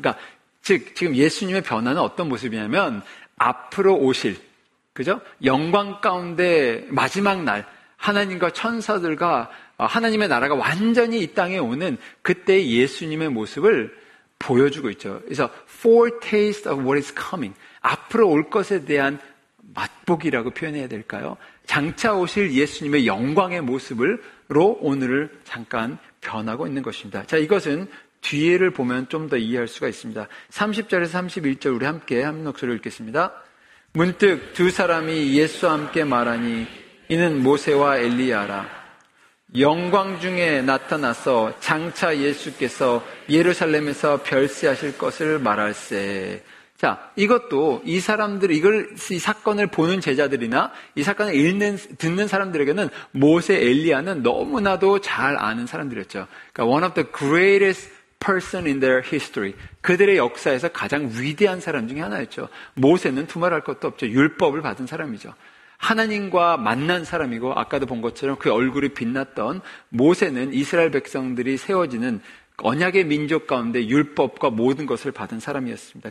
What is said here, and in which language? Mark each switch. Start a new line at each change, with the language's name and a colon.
Korean: 그러니까, 즉, 지금 예수님의 변화는 어떤 모습이냐면, 앞으로 오실, 그죠? 영광 가운데 마지막 날, 하나님과 천사들과 하나님의 나라가 완전히 이 땅에 오는 그때의 예수님의 모습을 보여주고 있죠. 그래서
English: foretaste of what is coming.
Korean: 앞으로 올 것에 대한 맛보기라고 표현해야 될까요? 장차 오실 예수님의 영광의 모습으로 오늘을 잠깐 변하고 있는 것입니다. 자, 이것은 뒤에를 보면 좀 더 이해할 수가 있습니다. 30절에서 31절 우리 함께 한 목소리로 읽겠습니다. 문득 두 사람이 예수와 함께 말하니 이는 모세와 엘리야라. 영광 중에 나타나서 장차 예수께서 예루살렘에서 별세하실 것을 말할세. 자, 이것도 이 사람들, 이걸, 이 사건을 보는 제자들이나 이 사건을 읽는, 듣는 사람들에게는 모세 엘리야는 너무나도 잘 아는 사람들이었죠. 그러니까
English: one of the greatest person in their history.
Korean: 그들의 역사에서 가장 위대한 사람 중에 하나였죠. 모세는 두말할 것도 없죠. 율법을 받은 사람이죠. 하나님과 만난 사람이고 아까도 본 것처럼 그 얼굴이 빛났던 모세는 이스라엘 백성들이 세워지는 언약의 민족 가운데 율법과 모든 것을 받은 사람이었습니다.